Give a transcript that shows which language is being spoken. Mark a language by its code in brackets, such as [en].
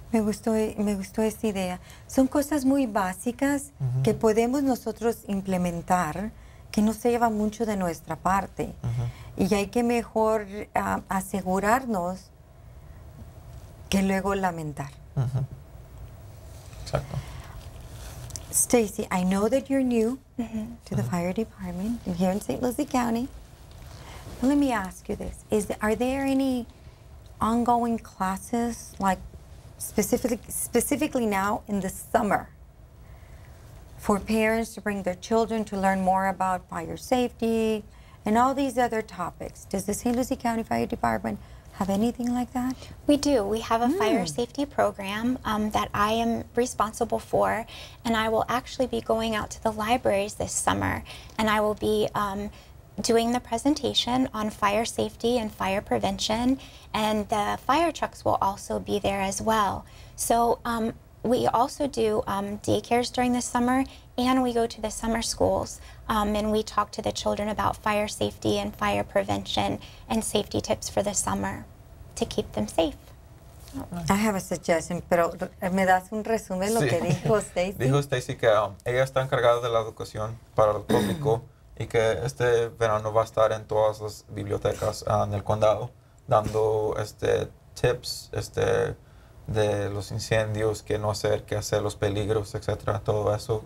[es] Me gustó esa idea. Son cosas muy básicas que podemos nosotros implementar, que no se lleva mucho de nuestra parte. Y hay que mejor asegurarnos que luego lamentar. Exacto. [en] Stacey, I know that you're new to the fire department here in St. Lucie County. Let me ask you this. Are there any ongoing classes, like specifically now in the summer, for parents to bring their children to learn more about fire safety and all these other topics? Does the St. Lucie County Fire Department have anything like that? We do. We have a fire safety program that I am responsible for, and I will actually be going out to the libraries this summer, and I will be doing the presentation on fire safety and fire prevention, and the fire trucks will also be there as well. So we also do daycares during the summer, and we go to the summer schools and we talk to the children about fire safety and fire prevention and safety tips for the summer to keep them safe. I have a suggestion, [es] pero ¿me das un resumen lo que dijo Stacey? Dijo Stacey que ella está encargada de la educación para el público y que este verano va a estar en todas las bibliotecas en el condado dando tips de los incendios, qué no hacer, qué hacer, los peligros, etcétera, todo eso.